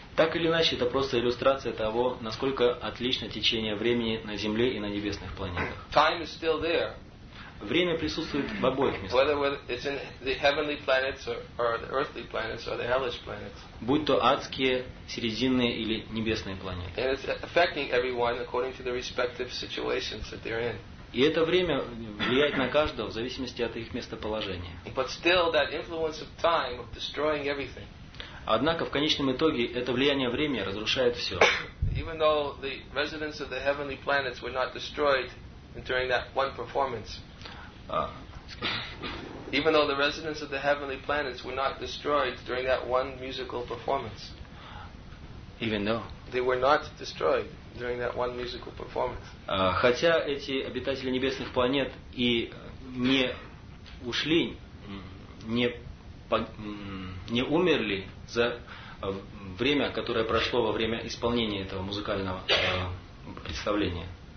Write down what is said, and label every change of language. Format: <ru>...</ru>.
<ru>Так или иначе, это просто иллюстрация того, насколько отлично течение времени на Земле и на небесных планетах.</ru> <en>Time is still there.</en> <ru>Время присутствует в обоих местах.</ru> <en>Whether it's in the heavenly planets or the earthly planets or the hellish planets.</en> <ru>Будь то адские, серединные или небесные планеты.</ru> <en>And it's affecting everyone according to the respective situations that they're in.</en> <ru>И это время влияет на каждого в зависимости от их местоположения.</ru> <en>But still that influence of time of destroying everything.</en> <ru>Однако в конечном итоге это влияние времени разрушает все.</ru> <en>Even though the residents of the heavenly planets were not destroyed during that one performance. Even though the residents of the heavenly planets were not destroyed during that one musical performance. Even though they were not destroyed during that one musical performance.</en> <ru>Хотя эти обитатели небесных планет и не ушли, не умерли за время, которое прошло во время исполнения этого музыкального представления.</ru>